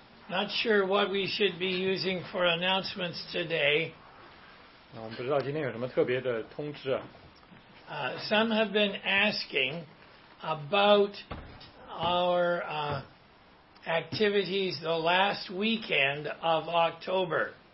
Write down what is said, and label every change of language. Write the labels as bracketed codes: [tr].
[en] Not sure what we should be using for announcements today. [zh] 那我们不知道今天有什么特别的通知啊。 [en] Some have been asking about our activities the last weekend of October.